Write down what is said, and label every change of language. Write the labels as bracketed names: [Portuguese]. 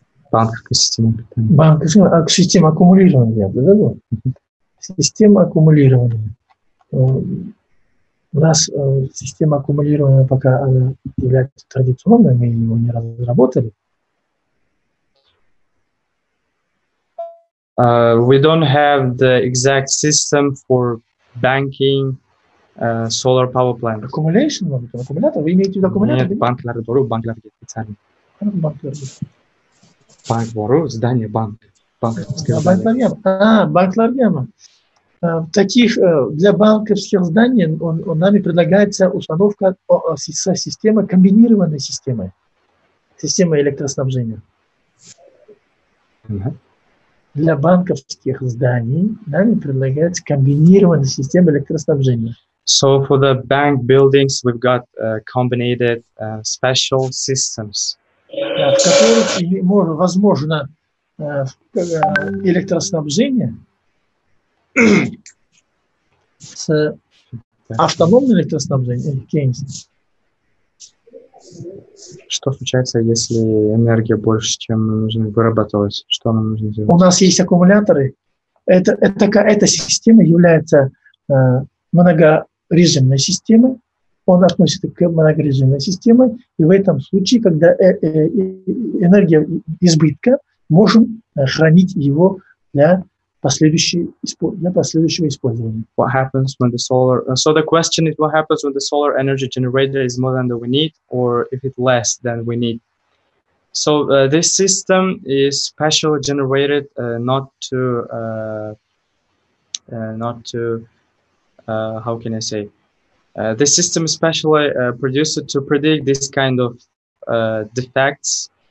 [Russian] Банковская система питания. Банковская система аккумулирования, да? Система аккумулирования. У нас система аккумулирования пока является традиционной, мы его не разработали. [English] We don't have the exact system for banking. Solar power plant. Accumulation? [Russian] Вы имеете в виду аккумулятор? Нет, [Uzbek] банклары дору, банклары [Russian] где специально. Банк дору, здание банк. [Uzbek] Банклары. [Russian] Таких для банковских зданий он нами предлагается установка системы, комбинированной системы. Системы электроснабжения. Для банковских зданий нами предлагается комбинированная система электроснабжения. [English] So for the bank buildings, we've got combinated special systems. [Russian] В которых возможно электроснабжение с автономным электроснабжением. Что случается, если энергия больше, чем нужно вырабатывать? Что нам нужно делать? У нас есть аккумуляторы. Эта система является многорежимной системы, он относится к многорежимной системе, и в этом случае, когда энергия избытка, можем хранить его для последующего использования. [English] What happens when the solar? So the question is, what happens when the solar energy generator is more than we need, or if it's less than we need? So this system is specially generated this system is specially produced to predict this kind of defects.